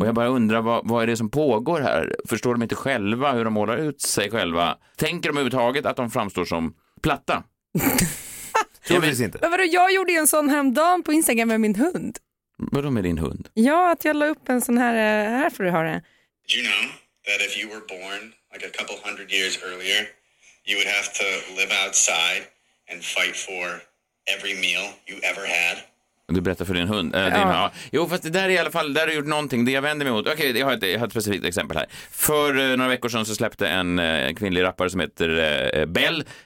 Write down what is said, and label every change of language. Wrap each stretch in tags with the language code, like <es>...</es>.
<sv>Och jag bara undrar, vad är det som pågår här? Förstår de inte själva hur de målar ut sig själva? Tänker de överhuvudtaget att de framstår som platta? Troligtvis inte. Men vadå, jag gjorde ju en sån häromdagen på Instagram med min hund. Vadå med din hund? Ja, att jag la upp en sån här, här får du ha det.</sv> <en>You know that if you were born like a couple hundred years earlier, you would have to live outside and fight for every meal you ever had.</en> <sv>Du berättar för din hund. Ja. Jo, fast det där är i alla fall, där har gjort någonting. Det jag vänder mig mot. Okej, okay, jag har ett specifikt exempel här. För några veckor sedan så släppte en kvinnlig rappare som heter Bell.</sv>